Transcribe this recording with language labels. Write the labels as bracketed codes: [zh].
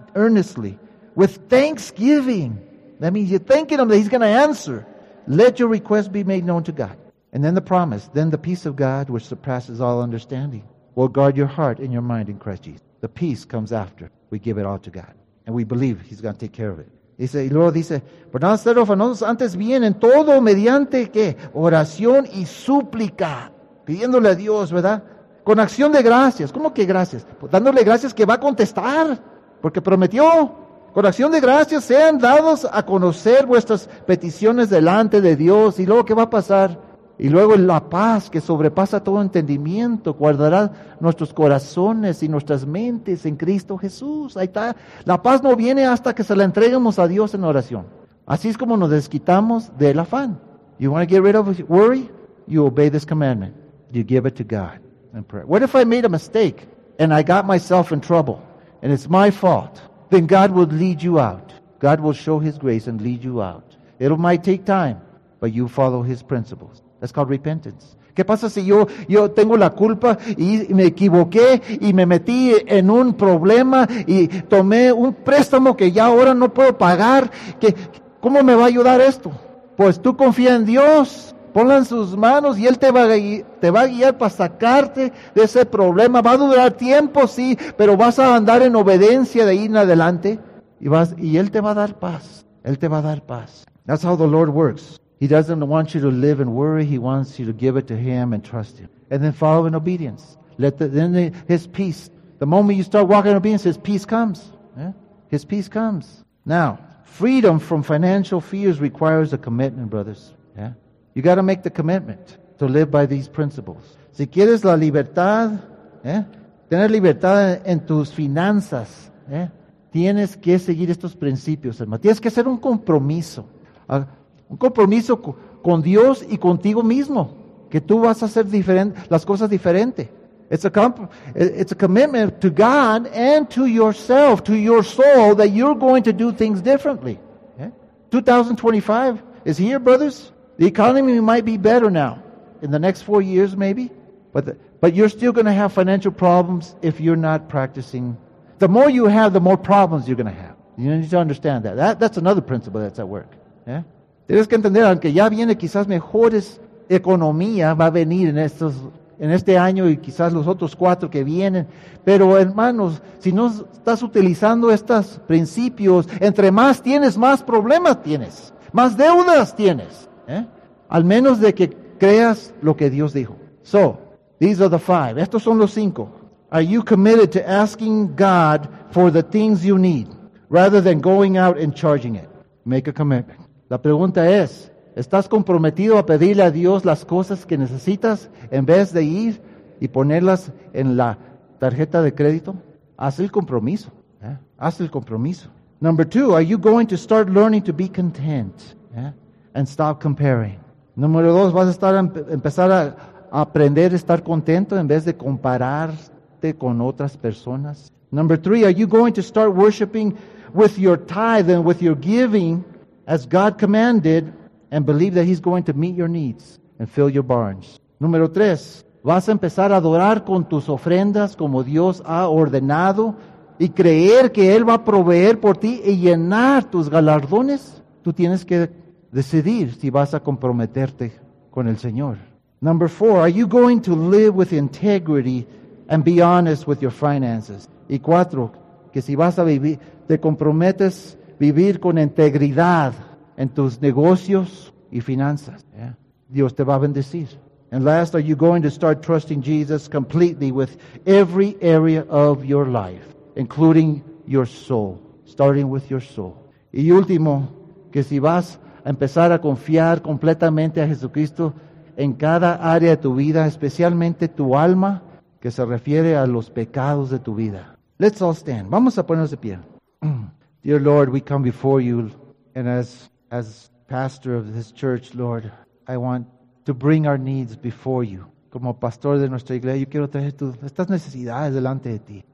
[en] earnestly with thanksgiving. That means you're thanking him that he's going to answer. Let your request be made known to God. And then the promise, then the peace of God, which surpasses all understanding, will guard your heart and your mind in Christ Jesus. The peace comes after we give it all to God. And we believe he's going to take care of it. [es] Dice, y luego dice, por no ser afanosos antes bien en todo mediante que oración y súplica, pidiéndole a Dios, ¿verdad? Con acción de gracias. ¿Cómo que gracias? Pues dándole gracias que va a contestar, porque prometió. Con acción de gracias sean dados a conocer vuestras peticiones delante de Dios. ¿Y luego qué va a pasar? Y luego la paz que sobrepasa todo entendimiento guardará nuestros corazones y nuestras mentes en Cristo Jesús. Ahí está. La paz no viene hasta que se la entreguemos a Dios en oración. Así es como nos desquitamos del afán. [en] You want to get rid of worry? You obey this commandment. You give it to God in prayer. What if I made a mistake and I got myself in trouble and it's my fault? Then God will lead you out. God will show his grace and lead you out. It might take time, but you follow his principles. That's called repentance. [es] ¿Qué pasa si yo tengo la culpa y me equivoqué y me metí en un problema y tomé un préstamo que ya ahora no puedo pagar? ¿Cómo me va a ayudar esto? Pues tú confía en Dios. Ponla en sus manos y Él te va a guiar para sacarte de ese problema. Va a durar tiempo, sí, pero vas a andar en obediencia de ahí en adelante. Y Él te va a dar paz. Él te va a dar paz. [en] That's how the Lord works. He doesn't want you to live in worry. He wants you to give it to Him and trust Him. And then follow in obedience. His peace. The moment you start walking in obedience, His peace comes. Yeah? His peace comes. Now, freedom from financial fears requires a commitment, brothers. Yeah? You got to make the commitment to live by these principles. [es] Si quieres la libertad, tener libertad en tus finanzas, tienes que seguir estos principios, hermano. Tienes que hacer un compromiso. Un compromiso con Dios y contigo mismo. Que tú vas a hacer las cosas diferente. [en] It's a commitment to God and to yourself, to your soul, that you're going to do things differently. Yeah? 2025 is here, brothers. The economy might be better now, in the next 4 years maybe, but you're still going to have financial problems if you're not practicing. The more you have, the more problems you're going to have. You need to understand that. That's another principle that's at work. Yeah? [es] Tienes que entender, aunque ya viene quizás mejores economía, va a venir en este año y quizás los otros cuatro que vienen. Pero hermanos, si no estás utilizando estos principios, entre más tienes, más problemas tienes, más deudas tienes. Al menos de que creas lo que Dios dijo. [en] So, these are the five. [es] Estos son los cinco. [en] Are you committed to asking God for the things you need rather than going out and charging it? Make a commitment. [es] La pregunta es, ¿estás comprometido a pedirle a Dios las cosas que necesitas en vez de ir y ponerlas en la tarjeta de crédito? Haz el compromiso. Haz el compromiso. [en] Number two, are you going to start learning to be content? And stop comparing. [es] Número dos, vas a empezar a aprender a estar contento en vez de compararte con otras personas. [en] Number three, are you going to start worshiping with your tithe and with your giving as God commanded and believe that He's going to meet your needs and fill your barns? [es] Número tres, vas a empezar a adorar con tus ofrendas como Dios ha ordenado y creer que Él va a proveer por ti y llenar tus galardones. Tú tienes que decidir si vas a comprometerte con el Señor. [en] Number four, are you going to live with integrity and be honest with your finances? [es] Y cuatro, que si vas a vivir, te comprometes vivir con integridad en tus negocios y finanzas. Yeah. Dios te va a bendecir. [en] And last, are you going to start trusting Jesus completely with every area of your life, including your soul, starting with your soul? [es] Y último, que si vas a empezar a confiar completamente a Jesucristo en cada área de tu vida, especialmente tu alma, que se refiere a los pecados de tu vida. [en] Let's all stand. [es] Vamos a ponernos de pie. [en] Dear Lord, we come before you, and as pastor of this church, Lord, I want to bring our needs before you. [es] Como pastor de nuestra iglesia, yo quiero traer estas necesidades delante de ti.